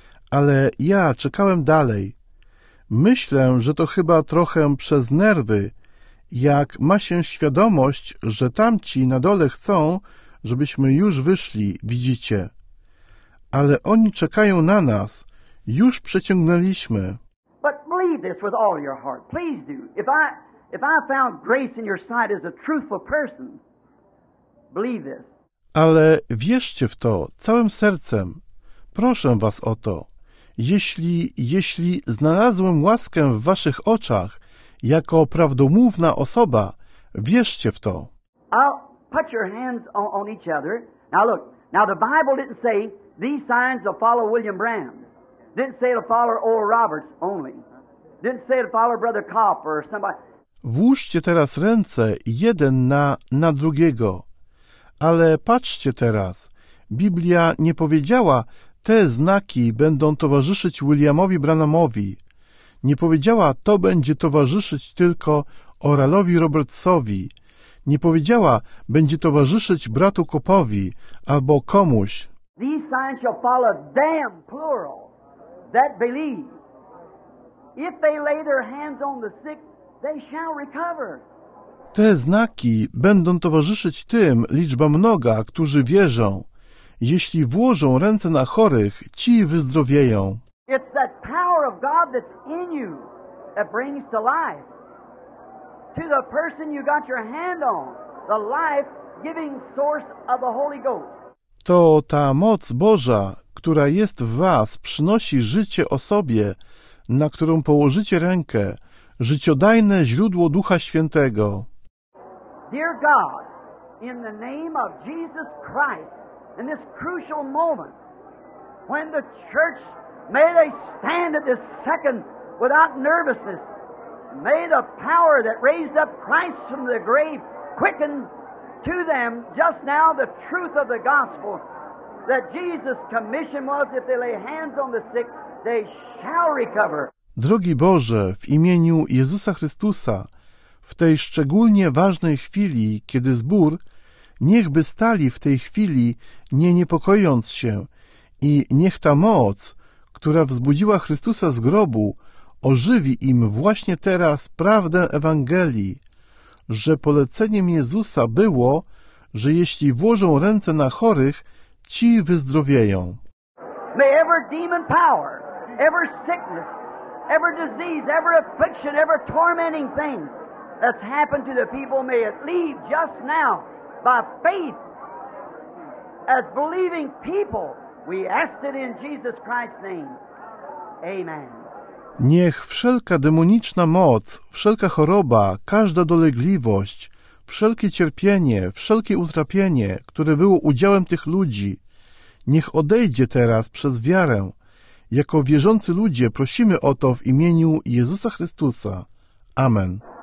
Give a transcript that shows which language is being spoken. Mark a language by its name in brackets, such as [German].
[Polish] Ale ja czekałem dalej. Myślę, że to chyba trochę przez nerwy. jak ma się świadomość, że tamci na dole chcą, żebyśmy już wyszli, widzicie. Ale oni czekają na nas. Już przeciągnęliśmy. [English] But believe this with all your heart. Please do. If I found grace in your sight as a truthful person, believe this. [Polish] Ale wierzcie w to całym sercem. Proszę was o to. Jeśli znalazłem łaskę w waszych oczach jako prawdomówna osoba, wierzcie w to. [English] I'll put your hands on each other. Now look, now the Bible didn't say these signs will follow William Branham. Didn't say to follow Oral Roberts only. Didn't say to follow Brother Kopp or somebody. [Polish] Włóżcie teraz ręce jeden na drugiego. Ale patrzcie teraz. Biblia nie powiedziała, te znaki będą towarzyszyć Williamowi Branhamowi. Nie powiedziała, to będzie towarzyszyć tylko Oralowi Robertsowi. Nie powiedziała, będzie towarzyszyć bratu Kopowi albo komuś. [English] These signs shall follow them, plural. That believe, if they lay their hands on the sick, they shall recover. [Polish] Te znaki będą towarzyszyć tym, liczba mnoga, którzy wierzą. Jeśli włożą ręce na chorych, ci wyzdrowieją. [English] It's that power of God that's in you that brings to life. To the person you got your hand on, the life-giving source of the Holy Ghost. [Polish] To ta moc Boża, która jest w was, przynosi życie osobie, na którą położycie rękę, życiodajne źródło Ducha Świętego. [English] Dear God, in the name of Jesus Christ, in this crucial moment, when the church, may they stand at this second without nervousness, may the power that raised up Christ from the grave quicken to them just now the truth of the gospel. That Jesus' commission was, if they lay hands on the sick, they shall recover. [Polish] Drogi Boże, w imieniu Jezusa Chrystusa, w tej szczególnie ważnej chwili, kiedy zbór, niechby stali w tej chwili, nie niepokojąc się, i niech ta moc, która wzbudziła Chrystusa z grobu, ożywi im właśnie teraz prawdę Ewangelii, że poleceniem Jezusa było, że jeśli włożą ręce na chorych, ci wyzdrowieją. [English] May every demon power, every sickness, every disease, every affliction, every tormenting thing that's happened to the people, may it leave just now by faith. As believing people, we ask it in Jesus Christ's name. Amen. [Polish] Niech wszelka demoniczna moc, wszelka choroba, każda dolegliwość, wszelkie cierpienie, wszelkie utrapienie, które było udziałem tych ludzi, niech odejdzie teraz przez wiarę. Jako wierzący ludzie prosimy o to w imieniu Jezusa Chrystusa. Amen.